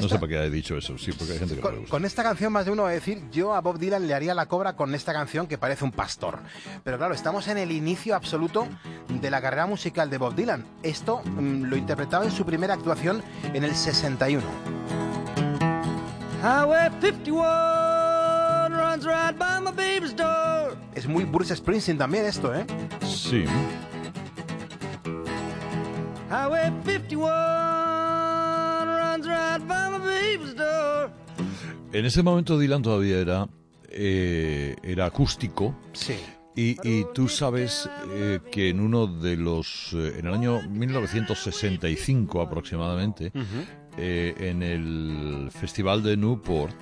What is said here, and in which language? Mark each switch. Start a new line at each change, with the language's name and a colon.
Spanish: No sé para qué he dicho eso, sí, porque hay gente que con, no le gusta. Con esta canción, más de uno va a decir, yo a Bob Dylan le haría la cobra con esta canción que parece un pastor. Pero claro, estamos en el inicio absoluto de la carrera musical de Bob Dylan. Esto lo interpretaba en su primera actuación en el 61.
English: Highway 51 runs right by my baby's door.
Spanish: Es muy Bruce Springsteen también esto, ¿eh? Sí.
English: Highway 51 runs right by my baby's door.
Spanish: En ese momento Dylan todavía era acústico. Sí. Y tú sabes que en uno de los... En el año 1965 aproximadamente, uh-huh, en el Festival de Newport,